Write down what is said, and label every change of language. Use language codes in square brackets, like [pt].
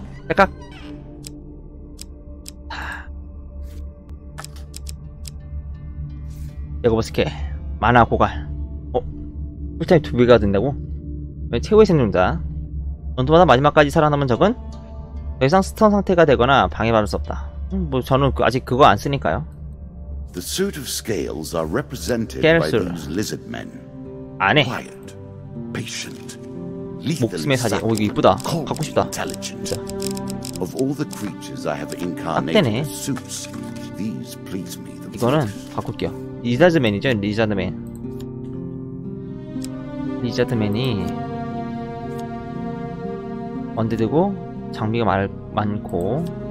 [ko] 약간 이거 보스케 만화 고갈 풀타임 2배가 된다고? 왜 최후의 생존자 전투마다 마지막까지 살아남은 적은 더 이상 스턴 상태가 되거나 방해받을 수 없다. 뭐 저는 아직 그거 안 쓰니까요. [en] The suit of scales are represented by these lizard men. [ko] 안 해. [en] Quiet, patient, [ko] lethal, 목숨의 사자. 오 이거 이쁘다. 갖고 싶다. [en] Of all the creatures I have incarnated, suits these please me. [ko] 이거는 바꿀게요. 리자드맨이죠, 리자드맨. 리자드맨이 언데드고 장비가 많고.